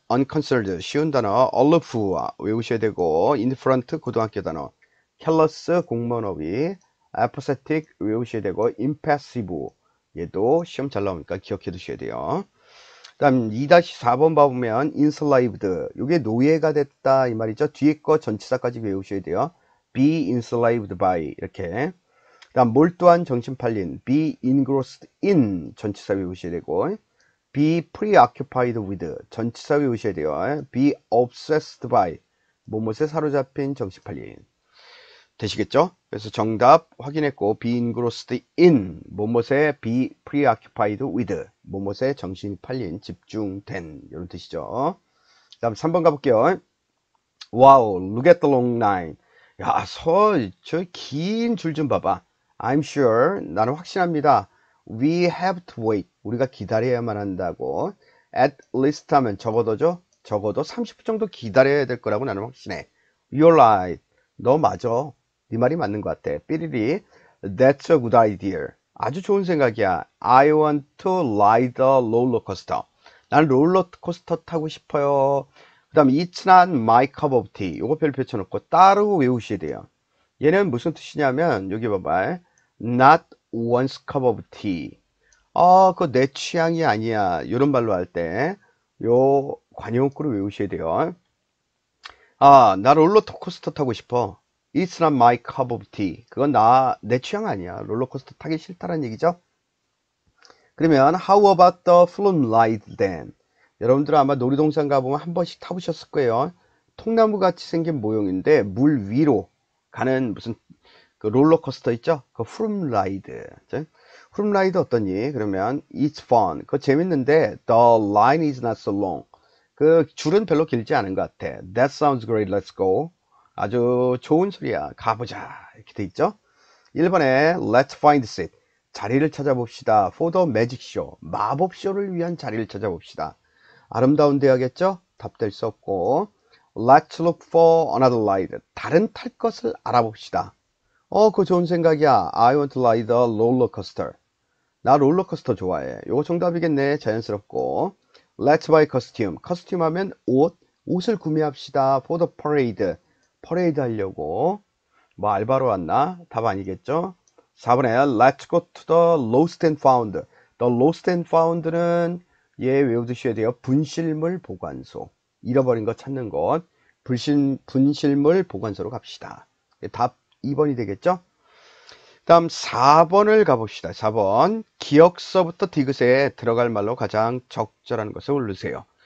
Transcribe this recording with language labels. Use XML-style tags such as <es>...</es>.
<ko>unconcerned 쉬운 단어, aloof 외우셔야 되고, indifferent 고등학교 단어, careless 공무원 어휘, apathetic 외우셔야 되고, impassive 얘도 시험 잘 나오니까 기억해 두셔야 돼요. 다음 2-4번 봐보면 enslaved, 요게 노예가 됐다 이 말이죠. 뒤에 거 전치사까지 외우셔야 돼요.</ko> <en>be enslaved by</en> <ko>이렇게. 그다음 몰두한, 정신팔린,</ko> <en>be engrossed in</en> <ko>전치사 외우셔야 되고,</ko> <en>be preoccupied with</en> <ko>전치사 외우셔야 돼요.</ko> <en>be obsessed by</en> <ko>뭐뭇에 사로잡힌, 정신팔린 되시겠죠? 그래서 정답 확인했고,</ko> <en>be engrossed in</en> <ko>뭐뭇에,</ko> <en>be preoccupied with</en> <ko>뭐뭇에 정신이 팔린, 집중된, 이런 뜻이죠. 그 다음 3번 가볼게요.</ko> <en>Wow, look at the long line.</en> <ko>야, 저긴줄좀 봐봐.</ko> <en>I'm sure,</en> <ko>나는 확신합니다.</ko> <en>We have to wait,</en> <ko>우리가 기다려야만 한다고. At least 하면 적어도죠. 적어도 30분 정도 기다려야 될 거라고 나는 확신해.</ko> <en>You're right,</en> <ko>너 맞아. 네 말이 맞는 것 같아.</ko> <en>삐리리, that's a good idea.</en> <ko>아주 좋은 생각이야.</ko> <en>I want to ride the roller coaster.</en> <ko>난 롤러코스터 타고 싶어요. 그다음</ko> <en>It's not my cup of tea.</en> <ko>요거 별표 쳐놓고 따로 외우셔야 돼요. 얘는 무슨 뜻이냐면, 여기 봐봐.</ko> <en>Not one's cup of tea.</en> <ko>그거 내 취향이 아니야. 이런 말로 할 때, 요 관용구를 외우셔야 돼요. 나 롤러코스터 타고 싶어.</ko> <en>It's not my cup of tea.</en> <ko>그건 나, 내 취향 아니야. 롤러코스터 타기 싫다는 얘기죠?</ko> <en>그러면, How about the Flume Ride then?</en> <ko>여러분들 아마 놀이동산 가보면 한 번씩 타보셨을 거예요. 통나무 같이 생긴 모형인데, 물 위로 가는 무슨, 그 롤러코스터 있죠?</ko> <en>그 Flume Ride. 플룸 라이드</en> <ko>어떠니? 그러면</ko> <en>it's fun.</en> <ko>그거 재밌는데</ko> <en>the line is not so long.</en> <ko>그 줄은 별로 길지 않은 것 같아.</ko> <en>That sounds great. Let's go.</en> <ko>아주 좋은 소리야. 가보자. 이렇게 돼 있죠? 1번에</ko> <en>let's find seat.</en> <ko>자리를 찾아봅시다.</ko> <en>For the magic show.</en> <ko>마법 쇼를 위한 자리를 찾아봅시다. 아름다운 대화겠죠? 답될 수 없고</ko> <en>let's look for another ride.</en> <ko>다른 탈 것을 알아봅시다. 어, 그거 좋은 생각이야.</ko> <en>I want to ride the roller coaster.</en> <ko>나 롤러코스터 좋아해. 요거 정답이겠네. 자연스럽고.</ko> <en>Let's buy costume.</en> <ko>costume 하면 옷. 옷을 구매합시다.</ko> <en>For the parade.</en> <ko>parade 하려고. 뭐 알바로 왔나? 답 아니겠죠?</ko> <en>4번에 Let's go to the lost and found.</en> <ko>The lost and found는 얘 외우드셔야 돼요. 분실물 보관소. 잃어버린 거 찾는 곳. 분실물 보관소로 갑시다. 답 2번이 되겠죠? 다음 4번을 가봅시다. 4번. 기억서부터 디귿에 들어갈 말로 가장 적절한 것을 고르세요.</ko>